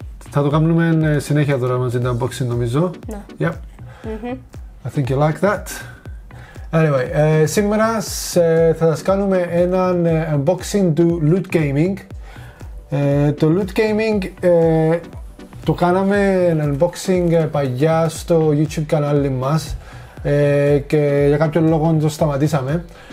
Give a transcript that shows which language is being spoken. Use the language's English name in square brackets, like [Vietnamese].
[Greek] Θα το κάνουμε συνέχεια τώρα μαζί το unboxing, νομίζω. Ναι. [English] Yep. Mm-hmm. I think you like that. Anyway, [Greek] σήμερα θα σας κάνουμε ένα unboxing του Loot Gaming. Το Loot Gaming το κάναμε ένα unboxing παλιά στο YouTube κανάλι μας και για κάποιο λόγο το σταματήσαμε.